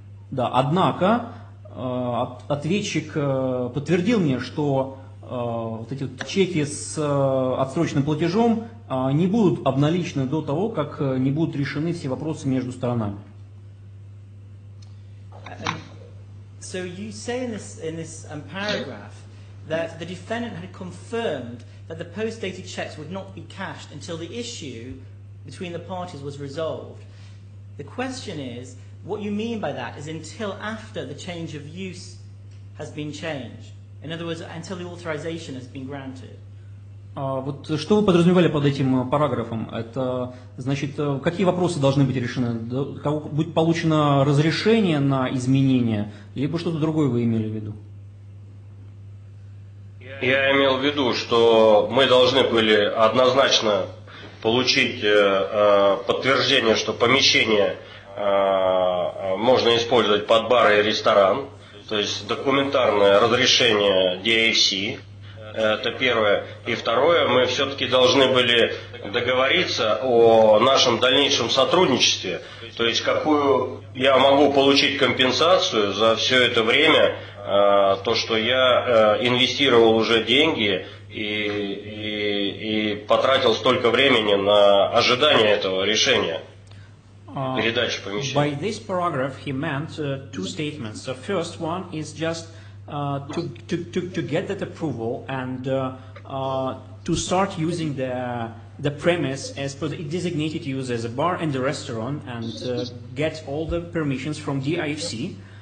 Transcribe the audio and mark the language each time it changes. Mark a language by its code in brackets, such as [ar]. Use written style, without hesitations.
[ru] Да, однако ответчик подтвердил мне, что вот эти вот чеки с отсроченным платежом не будут обналичены до того, как не будут решены все вопросы между сторонами. [en] So you say in this paragraph that the defendant had confirmed that the post-dated checks would not be cashed until the issue between the parties was resolved. The question is, what you mean by that is until after the change of use has been changed. In other words, until the authorization has been granted. [ru] Вот что вы подразумевали под этим параграфом? Это значит, какие вопросы должны быть решены? Будет получено разрешение на изменение, либо что-то другое вы имели в виду? Я имел в виду, что мы должны были однозначно получить подтверждение, что помещение можно использовать под бар и ресторан, то есть документарное разрешение DAC. Это первое. И второе, мы все-таки должны были договориться о нашем дальнейшем сотрудничестве, то есть какую я могу получить компенсацию за все это время, то, что я инвестировал уже деньги и потратил столько времени на ожидание этого решения. Передачи помещения. [en] By this paragraph he meant two statements. The first one is just to get that approval and to start using the premise as for the designated use as a bar and a restaurant and get all the permissions from DIFC.